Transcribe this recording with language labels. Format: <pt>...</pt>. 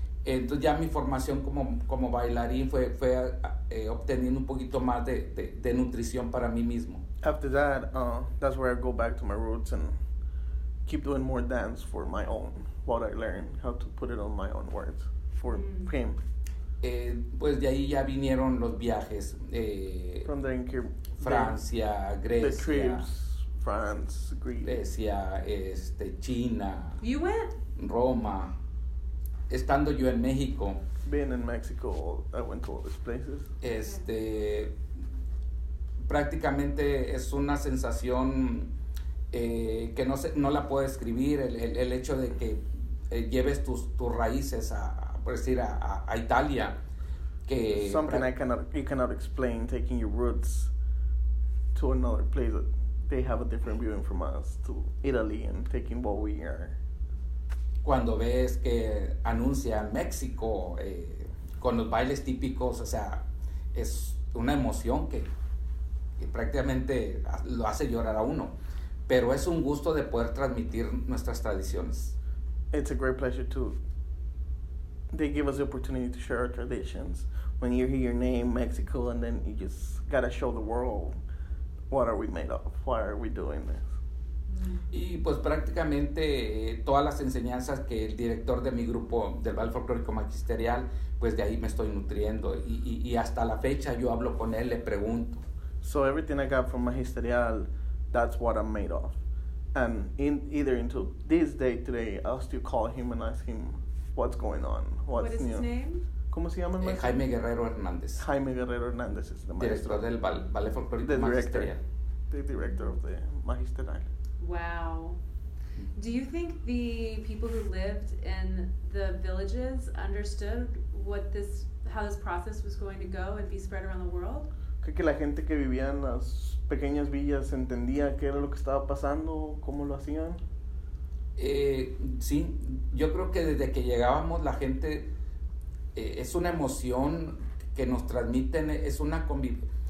<es>Entonces ya mi formación como bailarín fue obteniendo un poquito más de nutrición para mí mismo.</es> <en>After that, that's where I go back to my roots and keep doing more dance for my own, what I learned, how to put it on my own words for him.</en> <es>Pues de ahí ya vinieron los viajes</es> <en>from the</en> <es>Francia, Grecia,</es> <en>the trips, France, Greece.</en> <es>Grecia, China.</es> <en>You went?</en> <es>Roma. Estando yo en México.</es> <en>Being in Mexico, I went to all these places.</en> <es>Prácticamente es una sensación que no sé, no la puedo describir, el hecho de que lleves tus raíces a Italia, que</es> <en>something you cannot explain, taking your roots to another place that they have a different viewing from us, to Italy, and taking what we are.</en> <es>Cuando ves que anuncian México con los bailes típicos, o sea, es una emoción que prácticamente lo hace llorar a uno, pero es un gusto de poder transmitir nuestras tradiciones.</es> <en>It's a great pleasure to, they give us the opportunity to share our traditions. When you hear your name, Mexico, and then you just gotta show the world, what are we made of? Why are we doing this?</en> <es>Y pues prácticamente todas las enseñanzas que el director de mi grupo del Ballet Folclórico Magisterial, pues de ahí me estoy nutriendo. Y hasta la fecha yo hablo con él, le pregunto.</es> <en>So everything I got from Magisterial, that's what I'm made of. And either into this day today, I'll still call him and ask him what's going on. What is new. His name?</en> <es>¿Cómo se llama? Jaime Guerrero Hernández. Jaime Guerrero Hernández es el maestro. Director del Ballet Folclórico Magisterial.</es> <en>The director of the Magisterial. Wow. Do you think the people who lived in the villages understood how this process was going to go and be spread around the world?</en> <es>¿Cree que la gente que vivía en las pequeñas villas entendía qué era lo que estaba pasando, cómo lo hacían? Sí, yo creo que desde que llegábamos la gente, es una emoción que nos transmiten, es una convivencia.</es>